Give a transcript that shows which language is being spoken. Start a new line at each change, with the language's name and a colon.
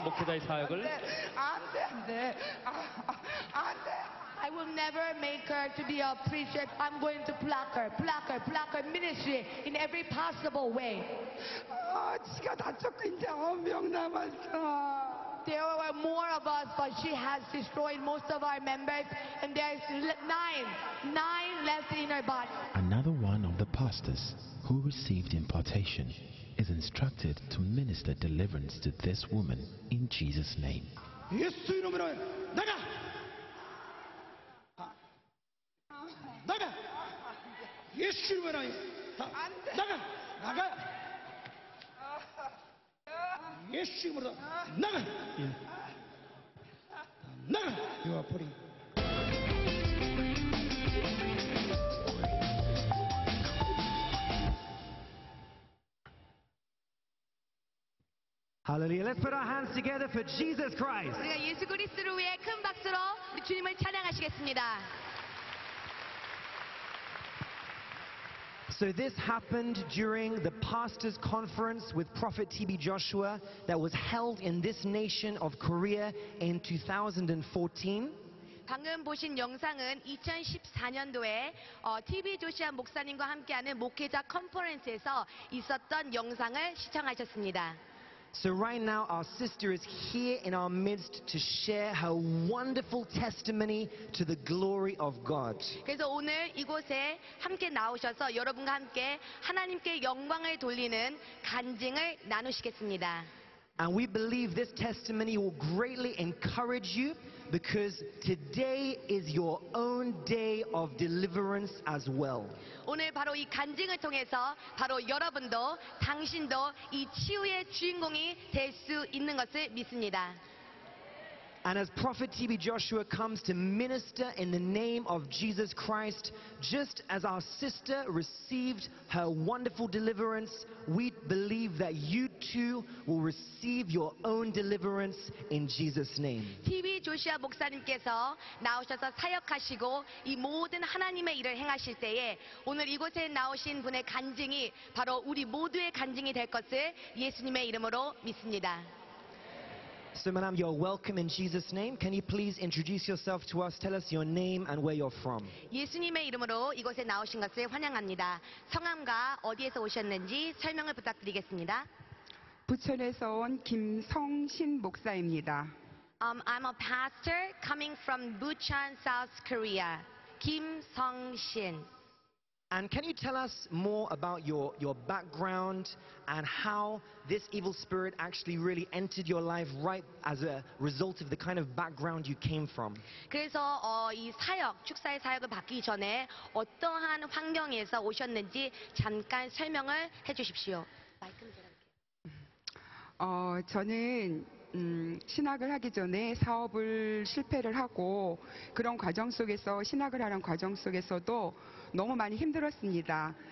Korean: 목회자의 사역을. 안 돼, 안 돼. 안 돼.
English: I will never make her to be a preacher. I'm going to block her, block her, block her ministry in every possible way.
Korean: 아, 지가 다 쫓고 이제 한 명 남았어.
English: There were more of us, but she has destroyed most of our members, and there's nine left in her body. Another one of the pastors who received impartation is instructed to minister deliverance to this woman in Jesus' name.
Korean: 예수 이름으로 나가! 나가! 예수 이름으로 나가! 나가! 예수님으로 나가! 나가! 이와 버리.
English: Hallelujah. Let's put our hands together for Jesus Christ.
Korean: 우리가 예수 그리스도를 위해 큰 박수로 주님을 찬양하시겠습니다.
English: So this happened during the pastor's conference with Prophet TB Joshua that was held in this nation of Korea in 2014.
Korean: 방금 보신 영상은 2014년도에 TB 조시안 목사님과 함께하는 목회자 컨퍼런스에서 있었던 영상을 시청하셨습니다.
English: So right now our sister is here in our midst to share her wonderful testimony to the glory of God.
Korean: 그래서 오늘 이곳에 함께 나오셔서 여러분과 함께 하나님께 영광을 돌리는 간증을 나누시겠습니다.
English: And we believe this testimony will greatly encourage you because today is your own day of deliverance as well.
Korean: 오늘 바로 이 간증을 통해서 바로 여러분도 당신도 이 치유의 주인공이 될 수 있는 것을 믿습니다.
English: And as Prophet TB Joshua comes to minister in the name of Jesus Christ, just as our sister received her wonderful deliverance, we believe that you too will receive your own deliverance in Jesus' name.
Korean: TB Joshua 목사님께서 나오셔서 사역하시고 이 모든 하나님의 일을 행하실 때에 오늘 이곳에 나오신 분의 간증이 바로 우리 모두의 간증이 될 것을 예수님의 이름으로 믿습니다.
English: So, madam, you're welcome in Jesus' name. Can you please introduce yourself to us? Tell us your name and where you're from.
Korean: 예수님의 이름으로 이곳에 나오신 것을 환영합니다. 성함과 어디에서 오셨는지 설명을 부탁드리겠습니다. 부천에서 온 김성신 목사입니다.
English: I'm a pastor coming from Busan, South Korea.
Korean: 김성신.
English: And can you tell us more about your background and how this evil spirit actually really entered your life right as a result of the kind of background you came from?
Korean: 그래서 이 사역, 축사의 사역을 받기 전에 어떠한 환경에서 오셨는지 잠깐 설명을 해 주십시오. 저는 신학을 하기 전에 사업을 실패를 하고 그런 과정 속에서 신학을 하는 과정 속에서도 너무 많이 힘들었습니다.